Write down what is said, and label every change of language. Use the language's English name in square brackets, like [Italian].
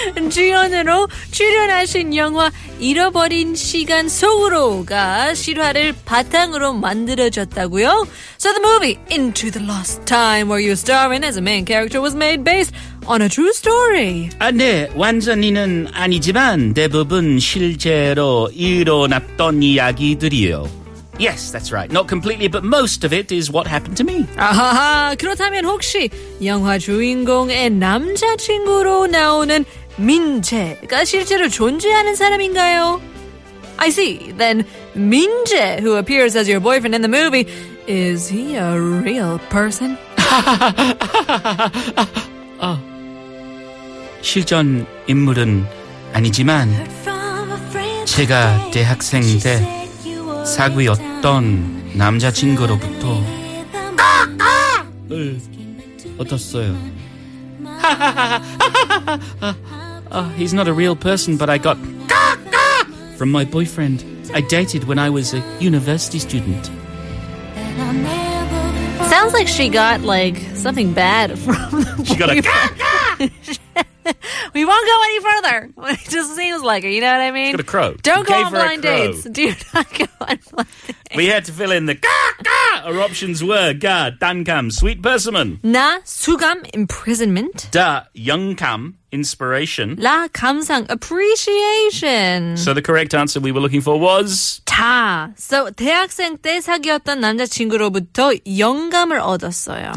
[Korean] 주연으로 출연하신 영화 잃어버린 시간 속으로가 실화를 바탕으로 만들어졌다고요? [English] So the movie Into the Lost Time where you star in as a main character was made based on a true story. [Korean] 아, 네, 완전히는 아니지만 대부분 실제로 일어났던 이야기들이요. [English] Yes, that's right. Not completely, but most of it is what happened to me. [Korean] 아하하, 그렇다면 혹시 영화 주인공의 남자친구로 나오는 민재가 실제로 존재하는 사람인가요? [English] I see. Then Minje, who appears as your boyfriend in the movie, is he a real person? [Korean] 실존 인물은 아니지만 제가 대학생 때 사귀었던 남자친구로부터 얻었어요. [English] He's not a real person, but I got from my boyfriend I dated when I was a university student. Sounds like she got, like, something bad from the boyfriend. She got a We won't go any further. It just seems like it. You know what I mean? She got a crow. Don't go on blind dates. Do not go on blind dates. We had to fill in the Our options were ga, dankam, sweet persimmon. Na, sugam, imprisonment. Da, youngkam, inspiration. La, kamsang, appreciation. So the correct answer we were looking for was... Ta. [Korean] So, 대학생 때 사귀었던 남자친구로부터 영감을 얻었어요.